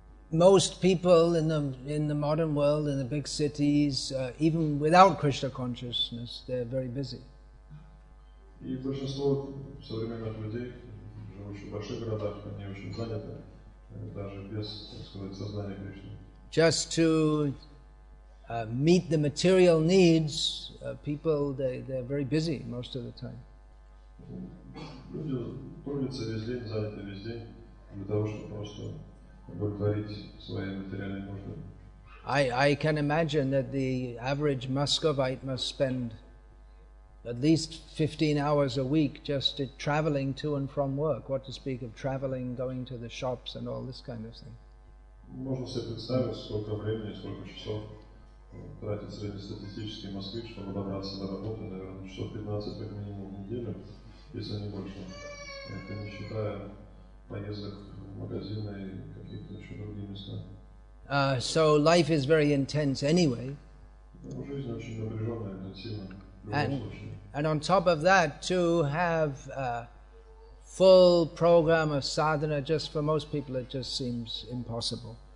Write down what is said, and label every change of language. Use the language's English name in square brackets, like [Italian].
[English] Most people in the modern world, in the big cities, even without Krishna consciousness, they're very busy. [Russian] И большинство современных людей, живущих в больших городах, они очень заняты, даже без, так сказать, сознания Кришны. [English] Just to meet the material needs, people, they're very busy most of the time. [Russian] Люди трудятся весь день, заняты весь день, для того, чтобы просто удовлетворить свои материальные нужды. [English] I can imagine that the average Muscovite must spend at least 15 hours a week just traveling to and from work, what to speak of traveling, going to the shops and all this kind of thing. [Russian] Можно себе представить, сколько времени, сколько часов тратит среднестатистический москвич, чтобы добраться до работы, наверное, часов 15 как минимум в неделю, если не больше. Это не считая поездок в магазины и какие-то еще другие места. [English] So life is very intense anyway. [Russian] Жизнь очень напряженная, интенсивная. [English] And on top of that, to have a full program of sadhana, just for most people, it just seems impossible.